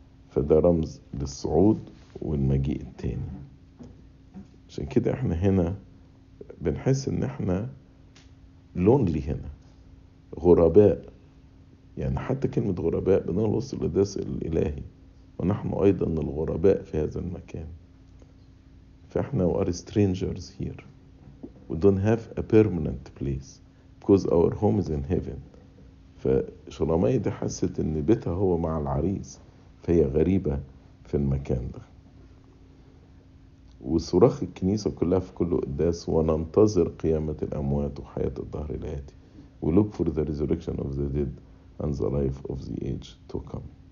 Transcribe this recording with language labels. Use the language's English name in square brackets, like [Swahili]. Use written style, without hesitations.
[Arabic] فده رمز للصعود والمجيء التاني. عشان كده احنا هنا بنحس ان احنا لونلي، هنا غرباء. يعني حتى كلمة غرباء بنوصل للدرس الالهي، ونحن ايضا الغرباء في هذا المكان. فاحنا [English] are strangers here. We don't have a permanent place because our home is in heaven. [Arabic] فشلومية دي حست ان بيتها هو مع العريس، فهي غريبة في المكان ده. وصراخ الكنيسة كلها في كل قداس وننتظر قيامة الأموات وحياة الدهر الآتي، [English] we look for the resurrection of the dead and the life of the age to come.